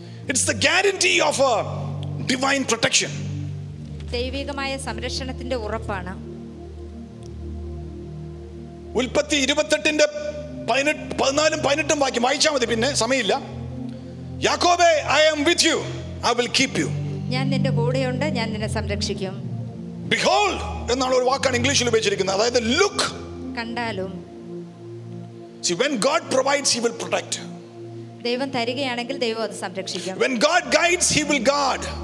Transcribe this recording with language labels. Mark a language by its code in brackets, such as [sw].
[en] It's the guarantee of a divine protection. [ml] ദൈവികമായ സംരക്ഷണത്തിന്റെ ഉറപ്പാണ്. ഉൽപ്പത്തി 28-ന്റെ 14-18 വാക്യം വായിച്ചാൽ മതി, പിന്നെ സമയമില്ല. [en] യാക്കോബേ, I am with you, I will keep you. [ml] ഞാൻ നിന്റെ കൂടെയുണ്ട്, ഞാൻ നിന്നെ സംരക്ഷിക്കും. Behold എന്നാണ് ഒരു വാക്കാണ് ഇംഗ്ലീഷിൽ ഉപയോഗിച്ചിരിക്കുന്നത്, അതായത് look, കണ്ടാലും. [en] See, when God provides, he will protect. [ml] ദൈവം തരികയാണെങ്കിൽ ദൈവം അത് സംരക്ഷിക്കും. [en] When God guides, he will guard.